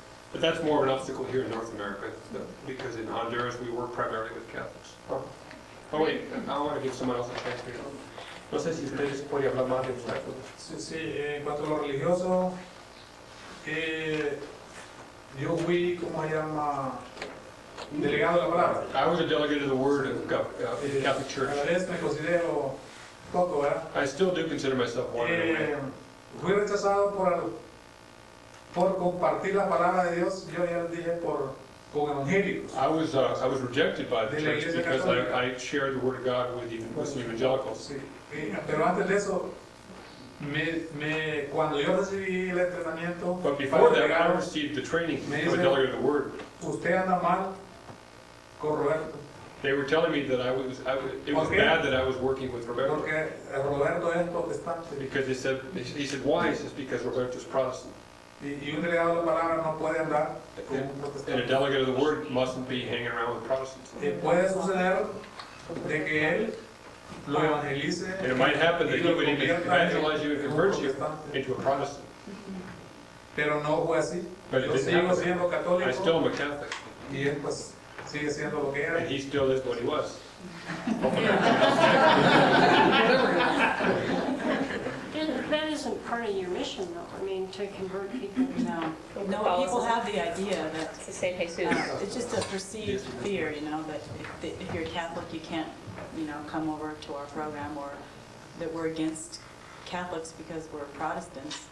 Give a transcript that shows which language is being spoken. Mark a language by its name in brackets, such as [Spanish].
[English] But that's more of an obstacle here in North America, because in Honduras we work primarily with Catholics. Oh, wait, I want to give someone else a chance here. [Spanish] No sé si ustedes pueden hablar más de obstáculos. Sí, sí, en cuanto a lo religioso, yo fui, ¿cómo se llama? Delegado de la palabra. [English] I was a delegate of the word of Catholic Church. [Spanish] Cada vez me considero poco, ¿verdad? [English] I still do consider myself one in a way. [Spanish] Fui rechazado por compartir la palabra de Dios, yo ya lo dije, con evangélicos. [English] I was rejected by the church because I shared the word of God with some evangelicals. [Spanish] Sí. Pero antes de eso, me cuando yo recibí el entrenamiento, [English] but before that, I received the training from a delegate of the word. [Spanish] Usted anda mal con Roberto. [English] They were telling me that it was bad that I was working with Roberto. [Spanish] Porque Roberto es protestante. [English] Because he said why? He says because Roberto's Protestant. [Spanish] Y un delegado de la palabra no puede andar con un protestante. [English] And a delegate of the word mustn't be hanging around with Protestants. [Spanish] Puede suceder de que él lo evangelice. [English] And it might happen that he would evangelize you and convert you into a Protestant. [Spanish] Pero no fue así. [English] But [Spanish] yo sigo siendo católico. [English] I still am a Catholic. [Spanish] Y él pues sigue siendo lo que era. [English] And he still is what he was. That isn't part of your mission, though. I mean, to convert people. No, people have the idea that it's just a perceived fear, you know, that if you're Catholic, you can't, you know, come over to our program, or that we're against Catholics because we're Protestants.